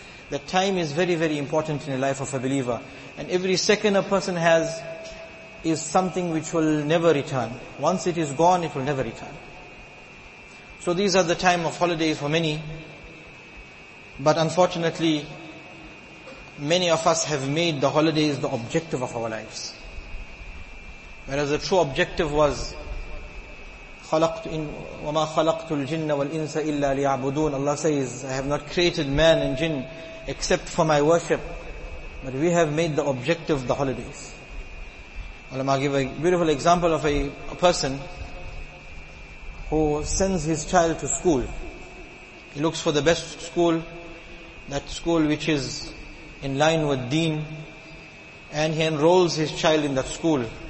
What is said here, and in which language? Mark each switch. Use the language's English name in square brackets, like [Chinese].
[English] That time is very, very important in the life of a believer. And every second a person has is something which will never return. Once it is gone, it will never return. So these are the time of holidays for many. But unfortunately, many of us have made the holidays the objective of our lives. Whereas the true objective was, [Arabic] وَمَا خَلَقْتُ الْجِنَّ وَالْإِنسَ إِلَّا لِيَعْبُدُونَ. [English] Allah says, I have not created man and jinn except for my worship. But we have made the objective the holidays. Ulama give a beautiful example of a person who sends his child to school. He looks for the best school, that school which is in line with deen, and he enrolls his child in that school.